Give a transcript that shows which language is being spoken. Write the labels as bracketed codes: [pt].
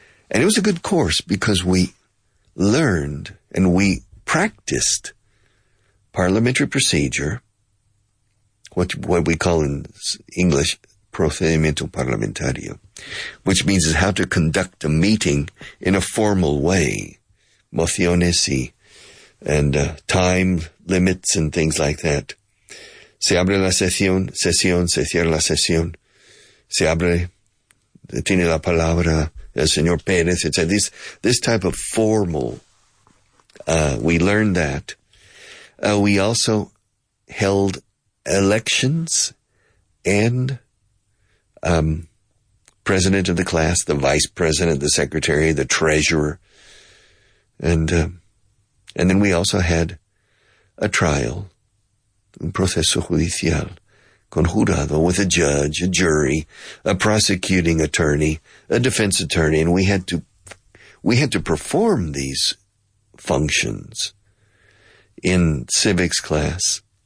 [en] And it was a good course because we learned and we practiced parliamentary procedure, what we call in English, [es] procedimiento parlamentario, [en] which means is how to conduct a meeting in a formal way, mociones and time limits and things like that. [es] Se abre la sesión, sesión, se cierra la sesión, se abre, tiene la palabra el señor Pérez, etc. [en] This type of formal, we learned that. We also held elections and president of the class, the vice president, the secretary, the treasurer. And then we also had a trial, [es] un proceso judicial, con jurado, [en] with a judge, a jury, a prosecuting attorney, a defense attorney, and we had to perform these functions in civics class.